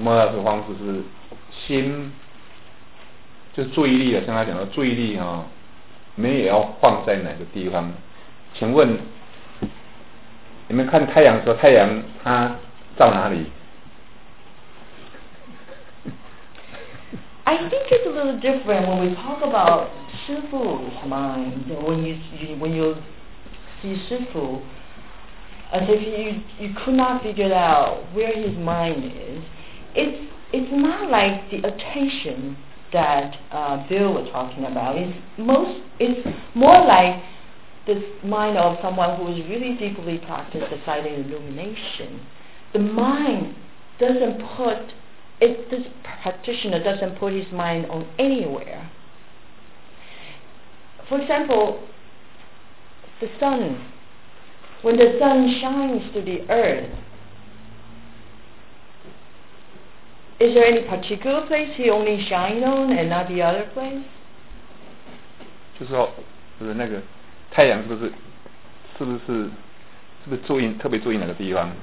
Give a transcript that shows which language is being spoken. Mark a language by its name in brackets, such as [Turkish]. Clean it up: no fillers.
[Chinese] 莫照的方式是心就是注意力，像他讲的注意力没有要放在哪个地方。请问你们看太阳的时候，太阳它照哪里？ [English] I think it's a little different when we talk about 师父 mind. When you see 师父 as if you could not figure out where his mind is, it's not like the attention that Bill was talking about. It's more like the mind of someone who is really deeply practiced the silent illumination. The mind doesn't put. If this practitioner doesn't put his mind on anywhere, for example, the sun, when the sun shines to the earth, is there any particular place he only shines on and not the other place? [Chinese] 就是说，就是那个太阳是不是注意特别注意哪个地方